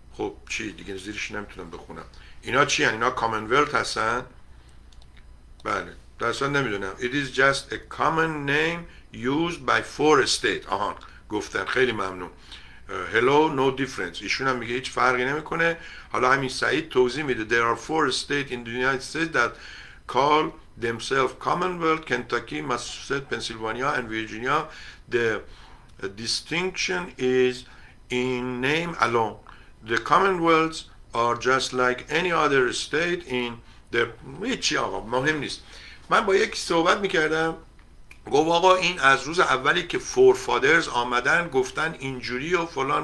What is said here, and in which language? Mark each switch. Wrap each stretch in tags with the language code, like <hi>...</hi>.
<fa>خب چی دیگه زیرش نمیتونم بخونم. اینا چی هن؟ اینا کامن ولت هستن؟ بله. درستان نمیدونم.</fa> <en>It is just a common name used by 4 states.</en> <fa>آهان گفتن، خیلی ممنون.</fa> <en>Hello, no difference.</en> <fa>ایشون هم میگه هیچ فرقی نمیکنه. حالا همین سعید توضیح میده.</fa> <en>There are 4 states in the United States that call themselves Commonwealth: Kentucky, Massachusetts, Pennsylvania, and Virginia. The distinction is in name alone. The Commonwealths are just like any other state in the.</en> <fa>هیچی آقا مهم نیست. من با یکی صحبت میکردم، گفت آقا این از روز اولی که فور فادرز آمدن گفتن اینجوری و فلان.</fa>